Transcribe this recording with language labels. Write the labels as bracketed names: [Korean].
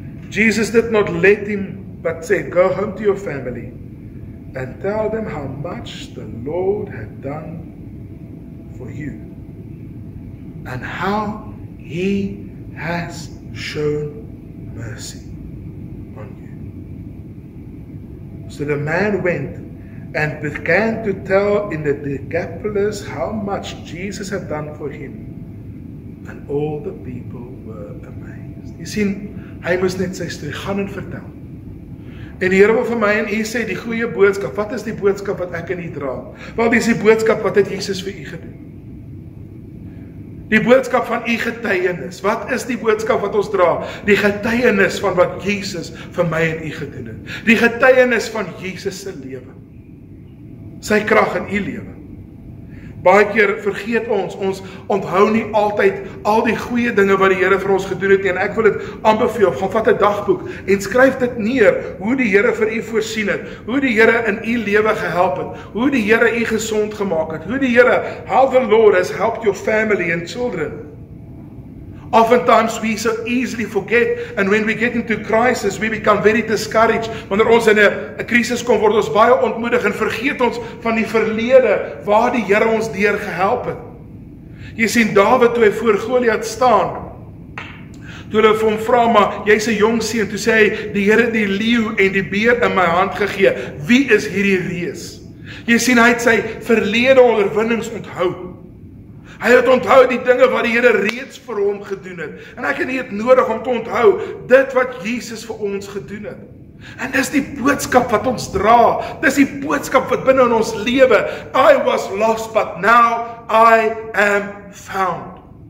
[English] Jesus did not let him, but said, "Go home to your family and tell them how much the Lord had done for you and how he has shown mercy on you." So the man went and began to tell in the Decapolis how much Jesus had done for him, and all the people were amazed. [Afrikaans] Jy sien, hy moes net sy storie gaan en vertel. En die Here wil vir my en u sê, die goeie boodskap, wat is die boodskap wat ek in u dra? Wel, dis die boodskap: wat het Jesus vir u gedoen? Die boodskap van u getuienis. Wat is die boodskap wat ons dra? Die getuienis van wat Jesus vir my en u gedoen het. Die getuienis van Jesus se lewe, sy krag in u lewe. Baie keer vergeet ons onthou nie altyd al die goeie dinge wat die Here vir ons gedoen het nie. En ek wil dit aanbeveel, gaan vat 'n dagboek en skryf dit neer, hoe die Here vir u voorsien het, hoe die Here in u lewe gehelp het, hoe die Here u gesond gemaak het, hoe die Here, [English] how the Lord has helped your family and children. Oftentimes we so easily forget, and when we get into crisis, we become very discouraged. [Afrikaans] Wanneer ons in 'n krisis kom, word ons baie ontmoedig en vergeet ons van die verlede waar die Here ons deur gehelp het. Jy sien Dawid toe hy voor Goliat staan. Toe hulle vir hom vra, "Maar jy's 'n jong seun," toe sê hy, "Die Here het die leeu en die beer in my hand gegee. Wie is hierdie reus?" Jy sien hy het sy verlede oorwinnings onthou. Hy het onthou die dinge wat die Here reeds vir hom gedoen het. En ek en jy het nodig om te onthou dit wat Jesus vir ons gedoen het. En dis die boodskap wat ons dra. Dis die boodskap wat binnen in ons lewe. [English] I was lost, but now I am found.